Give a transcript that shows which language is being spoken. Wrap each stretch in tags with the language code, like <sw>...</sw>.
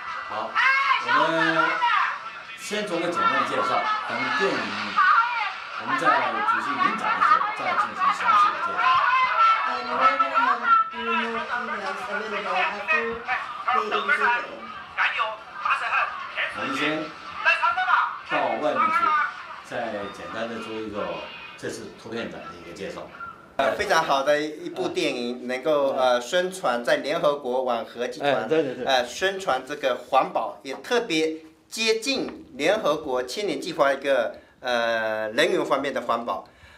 <zh>好，我们先做个简单介绍，等电影我们在举行影展的时候再进行详细的介绍。</zh> <en>And we're going to have more details available after the exhibit.</en> <zh>我们先到外面去，再简单的做一个这次图片展的一个介绍。非常好的一部电影，能够宣传在联合国网和集团，宣传这个环保，也特别接近联合国千年计划一个能源方面的环保。</zh>